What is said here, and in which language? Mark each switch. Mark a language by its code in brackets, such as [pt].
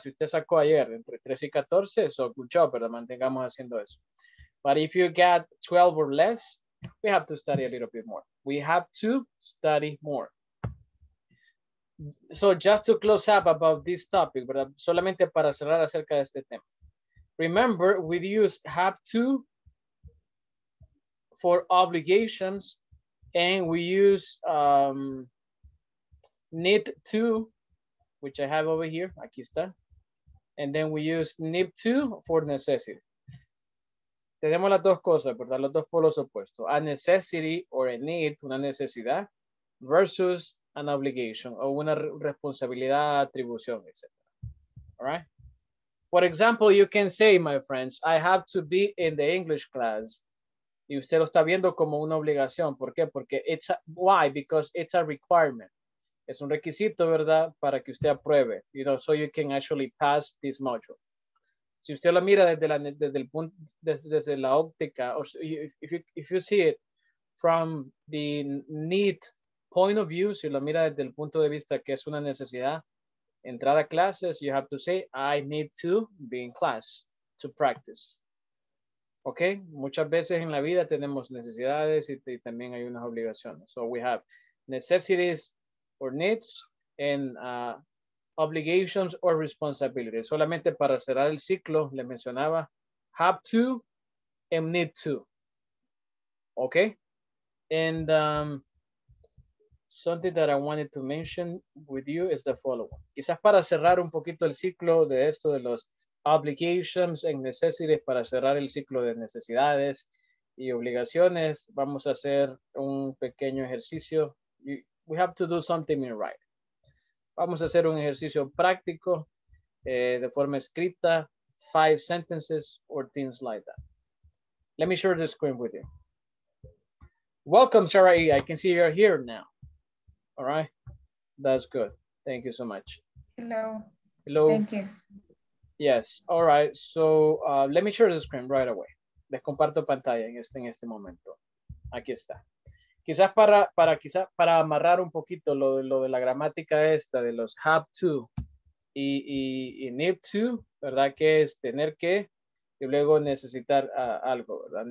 [es] Si usted sacó ayer entre 13 y 14, [en] so good job, [es] ¿verdad? Mantengamos haciendo eso. [en] But if you get 12 or less, we have to study a little bit more. We have to study more. So just to close up about this topic, ¿verdad? [es] Solamente para cerrar acerca de este tema. [en] Remember, we use have to for obligations, and we use need to, which I have over here, [es] aquí está, [en] and then we use need to for necessity. [es] Tenemos las dos cosas, ¿verdad? Los dos polos opuestos, [en] a necessity or a need, [es] una necesidad, [en] versus an obligation, [es] o una responsabilidad, atribución, etc. [en] All right? For example, you can say, my friends, I have to be in the English class. [es] Y usted lo está viendo como una obligación. ¿Por qué? Porque [en] it's a, why? Because it's a requirement. [es] Es un requisito, ¿verdad? Para que usted apruebe. [en] You know, so you can actually pass this module. [es] Si usted lo mira desde la óptica, [en] or if you see it from the need point of view, [es] si lo mira desde el punto de vista que es una necesidad, entrar a clases, [en] you have to say, I need to be in class to practice. Okay? [es] Muchas veces en la vida tenemos necesidades y también hay unas obligaciones. [en] So we have necessities or needs and obligations or responsibilities. [es] Solamente para cerrar el ciclo, le mencionaba, have to and need to. Okay? [en] And something that I wanted to mention with you is the following. [es] Quizás para cerrar un poquito el ciclo de esto de los [en] obligations and necessities, [es] para cerrar el ciclo de necesidades y obligaciones, vamos a hacer un pequeño ejercicio. [en] We have to do something in writing. [es] Vamos a hacer un ejercicio práctico. de forma escrita, [en] 5 sentences or things like that. Let me share the screen with you. Welcome, Sarah E. I can see you're here now. All right. That's good. Thank you so much. Hello. Hello. Thank you. Yes. All right. So let me share the screen right away. [es] Les comparto pantalla en este momento. Aquí está. Quizás para amarrar un poquito lo de la gramática esta, de los have to y need to, ¿verdad? Que es tener que y luego necesitar algo, ¿verdad?